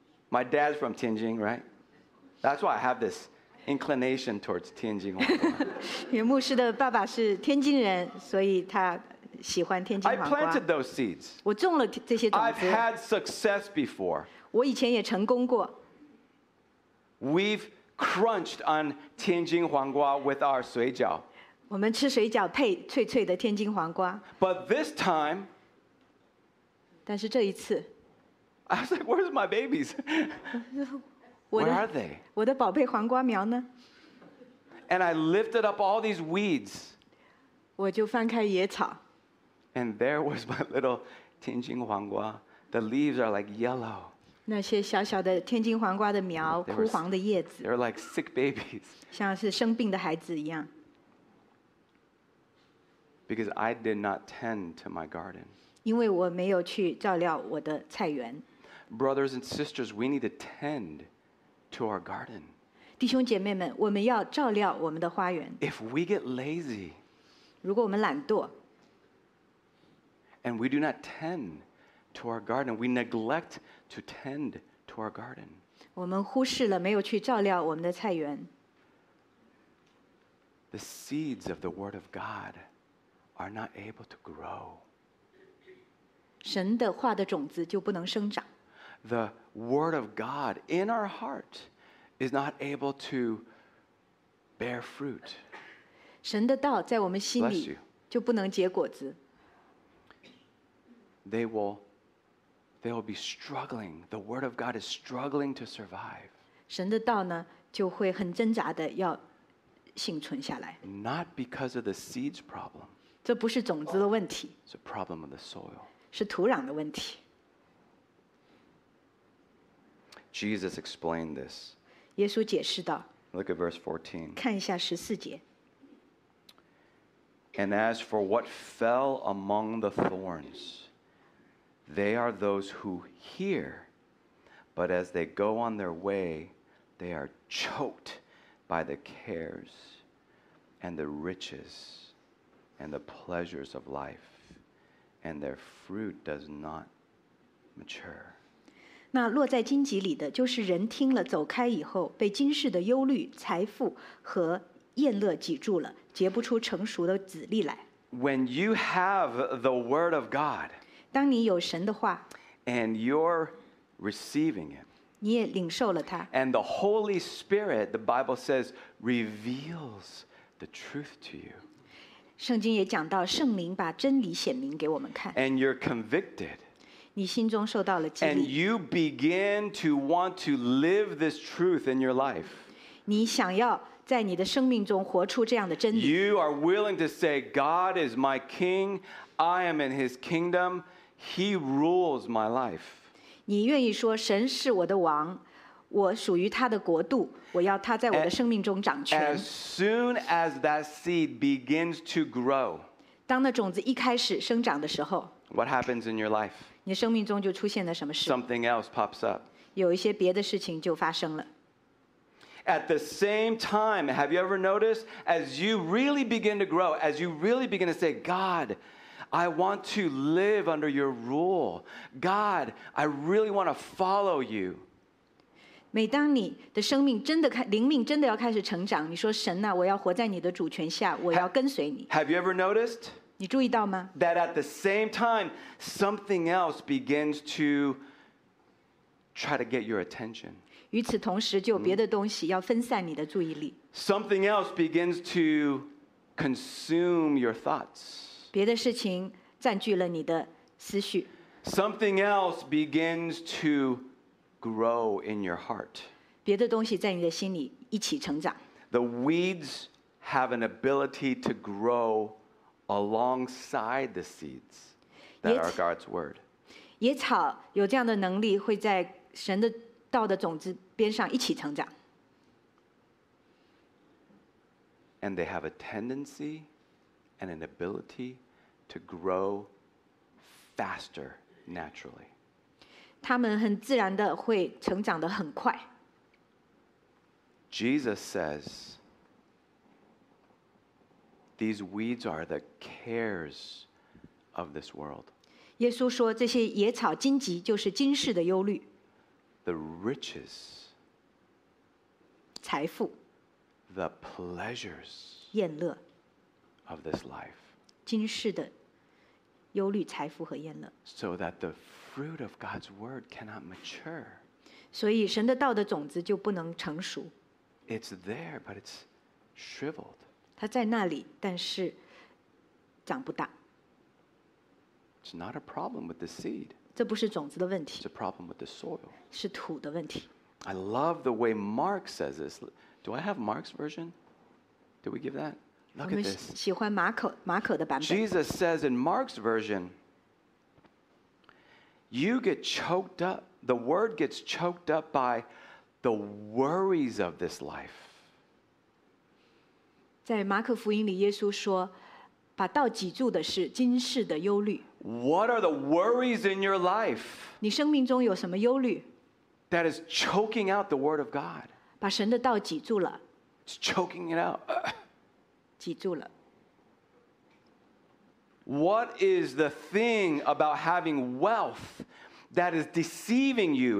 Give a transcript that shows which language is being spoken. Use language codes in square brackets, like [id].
[en] My dad's from 天津 right? That's why I have this. Inclination towards 天津黄瓜。 [zh] 因为牧师的爸爸是天津人，所以他喜欢天津黄瓜。 [en] I planted those seeds. [zh] 我种了这些种子。 [en] I've had success before. [zh] 我以前也成功过。 [en] We've crunched on 天津黄瓜 with our 水饺。 [zh] 我们吃水饺配脆脆的天津黄瓜。 [en] But this time. [zh] 但是这一次。 [en] I was like, "Where's my babies?" Where are they? [zh] 我的宝贝黄瓜苗呢? [en] And I lifted up all these weeds. [zh] 我就翻开野草。 [en] And there was my little 天津黄瓜. The leaves are like yellow. [zh] 那些小小的天津黄瓜的苗，枯黄的叶子。 [en] They're like sick babies. [zh] 像是生病的孩子一样。 [en] Because I did not tend to my garden. [zh] 因为我没有去照料我的菜园。 [en] Brothers and sisters, we need to tend. To our garden. [zh] 弟兄姐妹们，我们要照料我们的花园。 [en] If we get lazy, [zh] 如果我们懒惰 [en] and we do not tend to our garden, we neglect to tend to our garden. [zh] 我们忽视了没有去照料我们的菜园。 [en] The seeds of the Word of God are not able to grow. [zh] 神的话的种子就不能生长。 [en] The word of God in our heart is not able to bear fruit. [zh] 神的道在我们心里就不能结果子。 [en] They will be struggling. The word of God is struggling to survive. [zh] 神的道呢就会很挣扎的要幸存下来。 [en] Not because of the seeds problem. [zh] 这不是种子的问题。 [en] It's a problem of the soil. [zh] 是土壤的问题。 [en] Jesus explained this. [zh] 耶稣解释道。 [en] Look at verse 14. [zh] 看一下十四节。 [en] And as for what fell among the thorns, they are those who hear, but as they go on their way, they are choked by the cares and the riches and the pleasures of life, and their fruit does not mature. [zh] 那落在荆棘里的就是人听了走开以后被今世的忧虑财富和宴乐挤住了结不出成熟的籽粒来。 [en] When you have the word of God, [zh] 当你有神的话 [en] and you're receiving it, [zh] 你也领受了它 [en] and the Holy Spirit, the Bible says, reveals the truth to you. [zh] 圣经也讲到圣灵把真理显明给我们看 [en] and you're convicted, [zh] 你心中受到了激励 [en] and you begin to want to live this truth in your life. [zh] 你想要在你的生命中活出这样的真理。 [en] You are willing to say, God is my king, I am in his kingdom, he rules my life. [zh] 你愿意说神是我的王，我属于他的国度，我要他在我的生命中掌权。 [en] As soon as that seed begins to grow, [zh] 当那种子一开始生长的时候， [en] what happens in your life? [zh] 你生命中就出现了什么事？ [en] Something else pops up. [zh] 有一些别的事情就发生了。 [en] At the same time, have you ever noticed, as you really begin to grow, as you really begin to say, God, I want to live under your rule. God, I really want to follow you. [zh] 每当你的生命真的灵命真的要开始成长，你说神啊，我要活在你的主权下，我要跟随你。 [en] Have you ever noticed? [zh] 你注意到吗？ [en] That at the same time, something else begins to try to get your attention. [zh] 与此同时，就有别的东西要分散你的注意力。 [en] Something else begins to consume your thoughts. [zh] 别的事情占据了你的思绪。 [en] Something else begins to grow in your heart. [zh] 别的东西在你的心里一起成长。 [en] The weeds have an ability to grow alongside the seeds that are God's word. [zh] 野草有这样的能力，会在神的道的种子边上一起成长。 [en] And they have a tendency and an ability to grow faster naturally. [zh] 他们很自然的会成长得很快。 [en] Jesus says, these weeds are the cares of this world. [zh] 耶稣说这些野草荆棘就是今世的忧虑。 [en] The riches, [zh] 财富, [en] the pleasures, [zh] 宴乐, [en] of this life, [zh] 今世的忧虑、财富和宴乐, [en] so that the fruit of God's word cannot mature. [zh] 所以神的道的种子就不能成熟。 [en] It's there, but it's shriveled. [zh] 它在那里，但是长不大。 [en] It's not a problem with the seed. [zh] 这不是种子的问题。 [en] It's a problem with the soil. [zh] 是土的问题。 [en] I love the way Mark says this. Do I have Mark's version? Do we give that? Look at this. [zh] 我们喜欢马可的版本。 [en] Jesus says in Mark's version, you get choked up, the word gets choked up by the worries of this life. [zh] 在马可福音里耶稣说把道挤住的是今世的忧虑。 [en] What are the worries in your life? [zh] 你生命中有什么忧虑？ [en] That is choking out the word of God. [zh] 把神的道挤住了。 [en] It's choking it out. [zh] 挤住了。 [en] What is the thing about having wealth that is deceiving you?